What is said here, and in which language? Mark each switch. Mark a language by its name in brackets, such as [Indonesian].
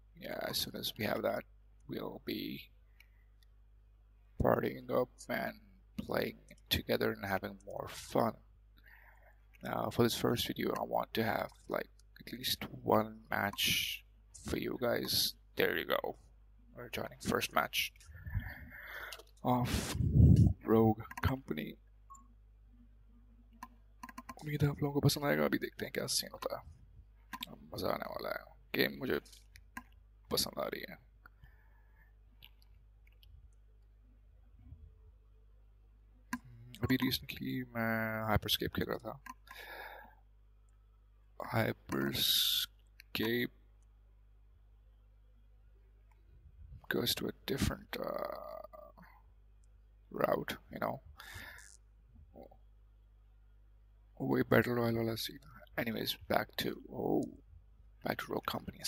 [English] Yeah, as soon as we have that, we'll be partying up and playing together and having more fun. Now, for this first video, I want to have like at least one match for you guys. There you go. We're joining first match of Rogue Company. [Hindi] उम्मीद है आप लोगों को पसंद आएगा. अभी देखते हैं क्या सीन होता है. मजा आने वाला है. गेम मुझे पसंद आ रही है. अभी रिसेंटली मैं हाइपरस्केप खेल रहा था. [English] Hyperscape goes to a different route, you know. Way better Royal LSC. Anyways, back to Rogue Company.